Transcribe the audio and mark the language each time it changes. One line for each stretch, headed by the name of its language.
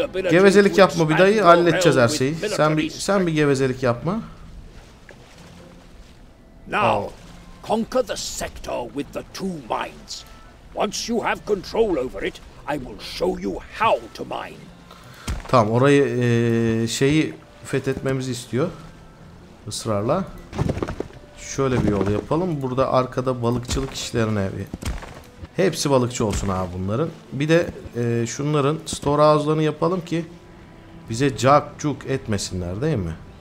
Turkish: Gevezelik yapma bir dayı, halledeceğiz her şeyi. Sen bir gevezelik yapma.
English: Now, conquer the sector with the two mines. Once you have control over it, I will show you how to mine.
Turkish: Tamam, orayı şeyi fethetmemizi istiyor ısrarla. Şöyle bir yol yapalım. Burada arkada balıkçılık işlerine bir. Hepsi balıkçı olsun abi bunların. Bir de şunların storehouse'larını yapalım ki bize cak cuk etmesinler, değil mi?